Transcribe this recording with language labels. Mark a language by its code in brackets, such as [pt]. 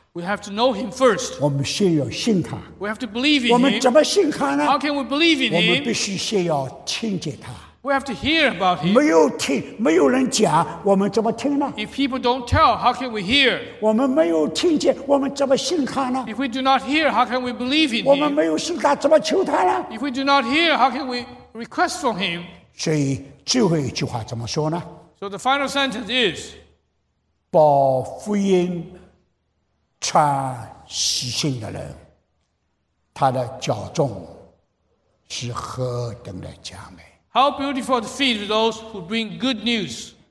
[en] We have to know him first. [zh] 我们先要信他。 [en] We have to believe in him. [zh] 我们怎么信他呢 [en] ？How can we believe in him? [zh] 我们必须先要听见他。 [en] We have to hear about him. [zh] 没有人讲，我们怎么听呢 [en] ？If people don't tell, how can we hear? [zh] 我们没有听见，我们怎么信他呢 [en] ？If we do not hear, how can we believe in him? [zh] 我们没有信他，怎么求他呢 [en] ？If we do not hear, how can we request from him? [zh] 所以最后一句话怎么说呢 [en] ？So the final sentence is, [zh] 报福音。穿喜信的人，他的脚重是何等的佳美 [en] ！How beautiful are the feet of those who bring good news！